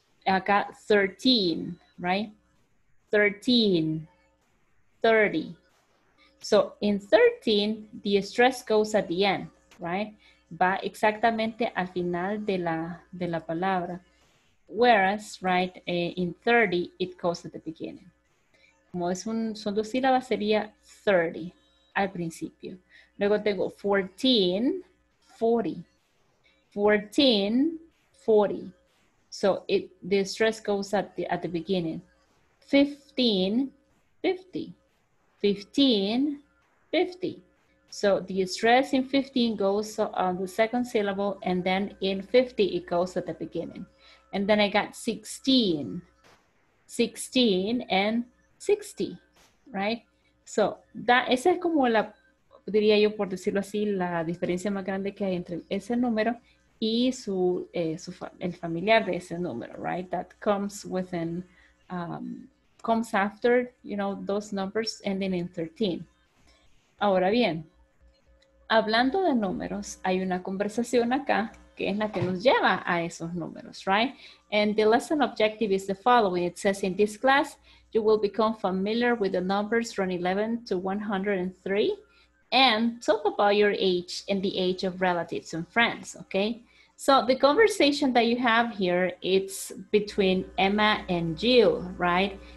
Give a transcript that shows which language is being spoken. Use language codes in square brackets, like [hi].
[es] acá 13, right? 13, 30. [en] So in 13, the stress goes at the end, right? [es] Va exactamente al final de la palabra. [en] Whereas, right, in 30, it goes at the beginning. [es] Como es un, son dos sílabas, sería 30 al principio. Luego tengo 14, 40. 14, 40. [en] So it, the stress goes at the beginning. 15, 50. 15, 50. So the stress in 15 goes on the second syllable, and then in 50, it goes at the beginning. And then I got 16, 16 and 60, right? [es] So that, esa es como la, diría yo, por decirlo así, la diferencia más grande que hay entre ese número y su, su el familiar de ese número, right? [en] That comes within, comes after, you know, those numbers ending in 13. [es] Ahora bien, hablando de números, hay una conversación acá que es la que nos lleva a esos números, right? [en] And the lesson objective is the following. It says, in this class, you will become familiar with the numbers from 11 to 103 and talk about your age and the age of relatives and friends, okay? So the conversation that you have here, it's between Emma and Jill, right?